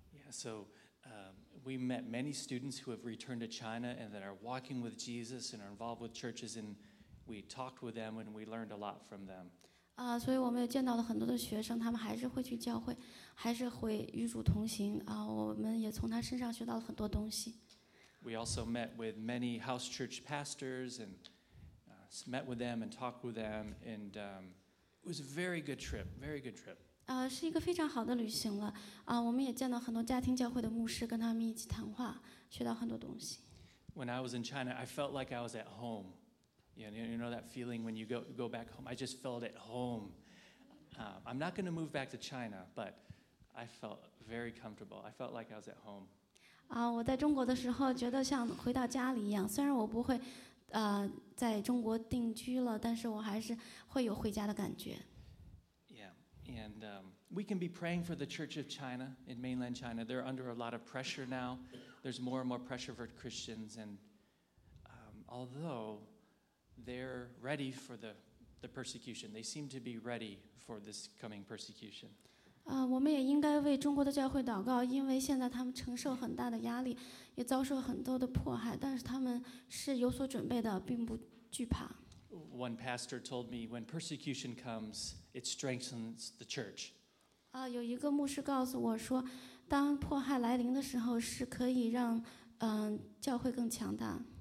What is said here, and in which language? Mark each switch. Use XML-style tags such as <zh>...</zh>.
<en>So we met many students who have returned to China and that are walking with Jesus and are involved with churches, and we talked with them and we learned a lot from them.</en> <zh>所以我们也见到了很多的学生，他们还是会去教会，还是会与主同行。我们也从他身上学到了很多东西。</zh> <en>We also met with many house church pastors and met with them and talked with them, and it was a very good trip, very good trip.</en> <zh>是一个非常好的旅行了。我们也见到很多家庭教会的牧师，跟他们一起谈话，学到很多东西。</zh> <en>When I was in China, I felt like I was at home. You know that feeling when you go back home? I just felt at home. I'm not going to move back to China, but I felt very comfortable. I felt like I was at home.</en> <zh>我在中国的时候觉得像回到家里一样，虽然我不会在中国定居了，但是我还是会有回家的感觉。</zh> <en>And we can be praying for the Church of China in mainland China. They're under a lot of pressure now. There's more and more pressure for Christians. And although they're ready for the persecution, they seem to be ready for this coming persecution.</en> <zh>我们也应该为中国的教会祷告，因为现在他们承受很大的压力，也遭受很多的迫害，但是他们是有所准备的，并不惧怕。</zh> <en>One pastor told me, when persecution comes, it strengthens the church.</en> <zh>有一个牧师告诉我说，当迫害来临的时候，是可以让教会更强大。</zh>